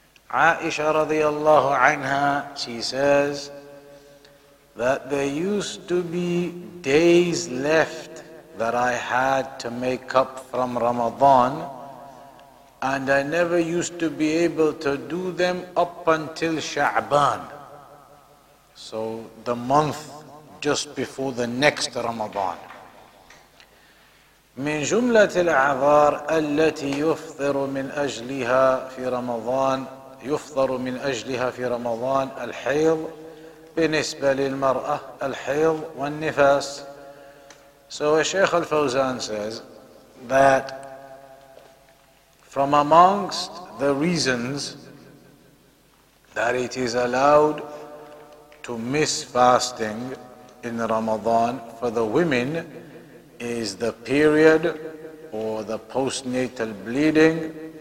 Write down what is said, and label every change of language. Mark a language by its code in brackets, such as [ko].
[en] Aisha radiyallahu anha, she says that there used to be days left that I had to make up from Ramadan, and I never used to be able to do them up until Sha'ban, so the month just before the next Ramadan. [ar] من جملة العذار التي يفطر من أجلها في رمضان يفطر من أجلها في رمضان الحيض بالنسبة للمرأة الحيض والنفاس. [en] So Shaykh Al-Fawzan says that from amongst the reasons that it is allowed to miss fasting in Ramadan for the women is the period or the postnatal bleeding.